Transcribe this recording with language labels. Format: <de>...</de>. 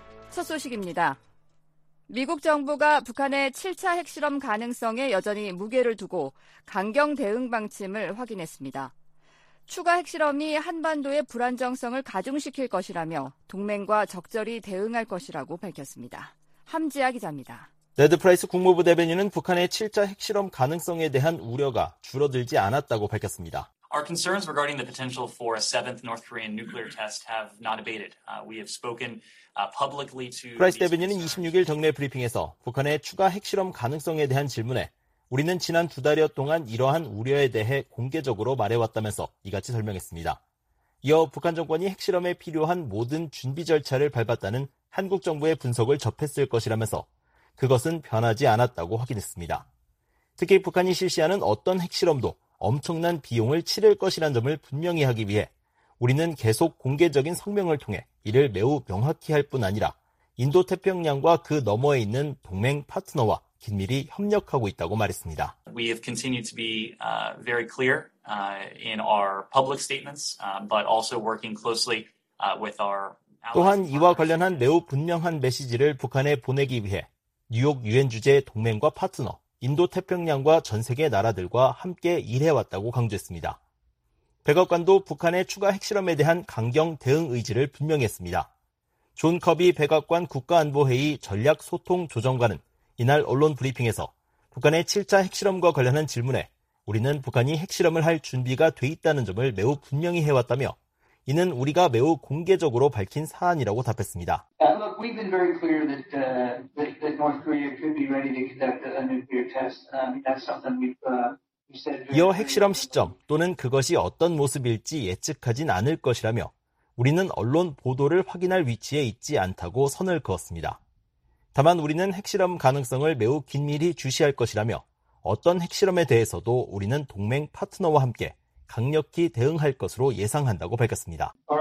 <ko>첫 소식입니다. 미국 정부가 북한의 7차 핵실험 가능성에 여전히 무게를 두고 강경 대응 방침을 확인했습니다. 추가 핵실험이 한반도의 불안정성을 가중시킬 것이라며 동맹과 적절히 대응할 것이라고 밝혔습니다. 함지아 기자입니다. 네드 프라이스 국무부 대변인은 북한의 7차 핵실험 가능성에 대한 우려가 줄어들지 않았다고 밝혔습니다.</ko> <en>Our concerns regarding the potential for a seventh North Korean nuclear test have not abated. We have spoken publicly to</en> <ko>프라이스 대변인은 26일 정례 브리핑에서 북한의 추가 핵실험 가능성에 대한 질문에 우리는 지난 두 달여 동안 이러한 우려에 대해 공개적으로 말해왔다면서 이같이 설명했습니다. 이어 북한 정권이 핵실험에 필요한 모든 준비 절차를 밟았다는 한국 정부의 분석을 접했을 것이라면서 그것은 변하지 않았다고 확인했습니다. 특히 북한이 실시하는 어떤 핵실험도 엄청난 비용을 치를 것이란 점을 분명히 하기 위해 우리는 계속 공개적인 성명을 통해 이를 매우 명확히 할 뿐 아니라 인도태평양과 그 너머에 있는 동맹 파트너와 긴밀히 협력하고 있다고 말했습니다.</ko> <en>We have continued to be very clear in our public statements, but also working closely with our</en> <ko>또한 이와 관련한 매우 분명한 메시지를 북한에 보내기 위해 뉴욕 유엔 주재 동맹과 파트너, 인도태평양과 전 세계 나라들과 함께 일해왔다고 강조했습니다. 백악관도 북한의 추가 핵실험에 대한 강경 대응 의지를 분명히 했습니다. 존 커비 백악관 국가안보회의 전략소통조정관은 이날 언론 브리핑에서 북한의 7차 핵실험과 관련한 질문에 우리는 북한이 핵실험을 할 준비가 돼 있다는 점을 매우 분명히 해왔다며 이는 우리가 매우 공개적으로 밝힌 사안이라고 답했습니다.</ko> <en>Look, we've been very clear that North Korea could be ready to conduct a nuclear test. That's something we've said.</en> <ko>이어 핵실험 시점 또는 그것이 어떤 모습일지 예측하진 않을 것이라며 우리는 언론 보도를 확인할 위치에 있지 않다고 선을 그었습니다. 다만 우리는 핵실험 가능성을 매우 긴밀히 주시할 것이라며 어떤 핵실험에 대해서도 우리는 동맹 파트너와 함께 강력히 대응할 것으로 예상한다고 밝혔습니다.</ko>